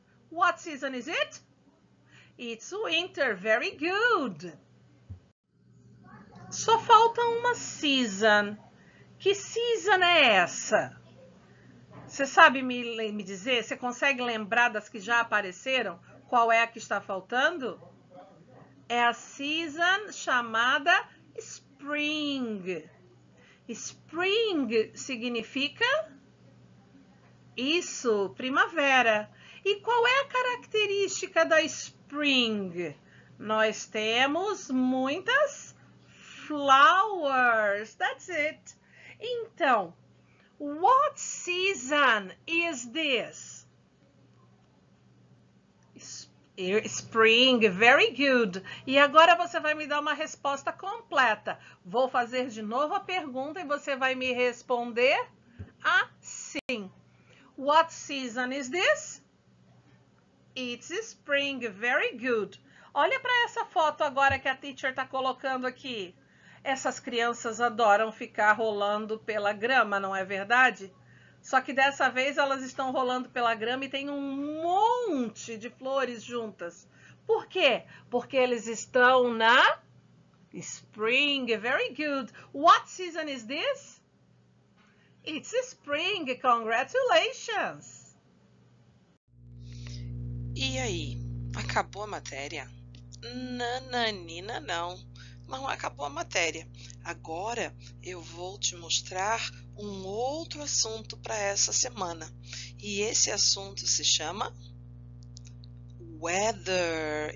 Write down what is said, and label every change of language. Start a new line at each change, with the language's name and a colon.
English: What season is it? It's winter, very good.
Portuguese: Só falta uma season. Que season é essa? Você sabe me dizer? Você consegue lembrar das que já apareceram? Qual é a que está faltando? É a season chamada spring. Spring significa isso, primavera. E qual é a característica da spring? Nós temos muitas flowers.
English: That's it.
Portuguese: Então,
English: what season is this? Spring, very good.
Portuguese: E agora você vai me dar uma resposta completa. Vou fazer de novo a pergunta e você vai me responder assim.
English: What season is this? It's spring, very good.
Portuguese: Olha para essa foto agora que a teacher está colocando aqui. Essas crianças adoram ficar rolando pela grama, não é verdade? Só que dessa vez elas estão rolando pela grama e tem um monte de flores juntas. Por quê? Porque eles estão na spring,
English: very good. What season is this? It's spring, congratulations.
Portuguese: E aí, acabou a matéria? Nananina, não acabou a matéria. Agora eu vou te mostrar um outro assunto para essa semana. E esse assunto se chama weather.